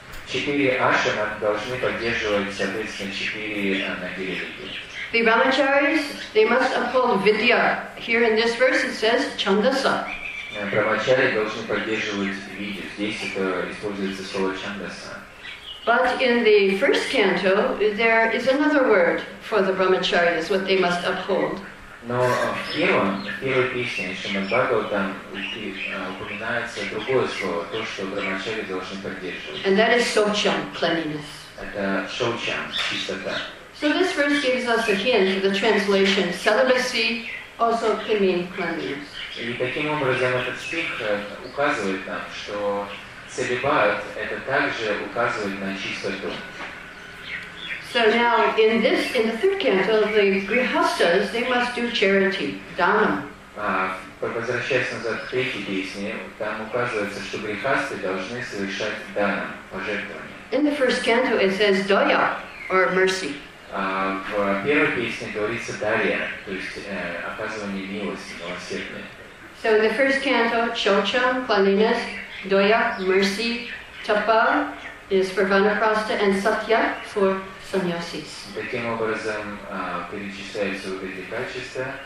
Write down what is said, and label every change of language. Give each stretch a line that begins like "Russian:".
Russian: Четыре ашрама должны поддерживать, соответственно, четыре ноги религии.
English: The brahmacharis, they must uphold vidya. Here in this verse it says chandasa.
Russian: Брахмачари должны поддерживать видью. Здесь это используется слово чандаса.
English: But in the first canto, there is another word for the brahmacharis, what they must uphold.
Russian: Но в первой песне Шримад-Бхагаватам упоминается другое слово, то, что брахмачари должны поддерживать.
English: And that is socham, cleanliness.
Russian: Это socham, чистота.
English: So this verse gives us a hint of the translation. Celibacy also can mean cleanliness.
Russian: И таким образом этот стих указывает нам, что целибат это также указывает на чистоту.
English: So now in the third canto, the grihastas they must do charity, dhanam.
Russian: Возвращаясь назад к третьей песне, там указывается, что грихасты должны совершать дханам, пожертвования.
English: In the first canto it says daya or mercy.
Russian: В первой песне говорится дарья, то есть оказывание милости, милосердия.
English: So in the first canto, chocham, cleanliness, doya, mercy, tapa is for vanaprastha, and satya for sannyasis.
Russian: Таким образом, перечисляются вот эти качества.